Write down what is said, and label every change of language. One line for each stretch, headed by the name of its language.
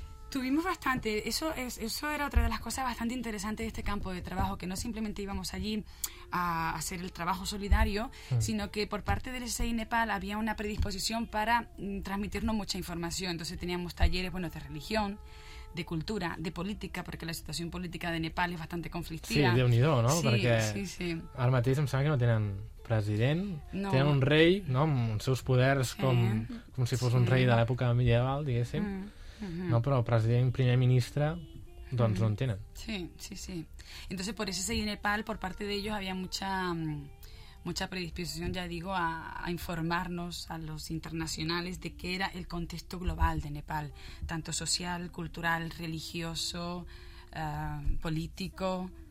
Spanish: Tuvimos bastante, eso era otra de las cosas bastante interesantes de este campo de trabajo, que no simplemente íbamos allí a hacer el trabajo solidario, sino que por parte del SSI Nepal había una predisposición para transmitirnos mucha información. Entonces teníamos talleres, bueno, de religión, de cultura, de política, porque la situación política de Nepal es bastante conflictiva.
Catalan: Sí, Déu-n'hi-do, no? Sí, perquè sí, sí. Ara mateix em sembla que no tenen president, no. Tenen un rei, no?, amb els seus poders, sí. com si fos un rei de l'època medieval, diguéssim. No, però president, primer ministre, doncs no en tenen. Sí, sí, sí.
Spanish: Entonces, por ese seguir Nepal, por parte de ellos, había mucha predisposición, ya digo, a informarnos a los internacionales de qué era el contexto global de Nepal, tanto social, cultural, religioso, político.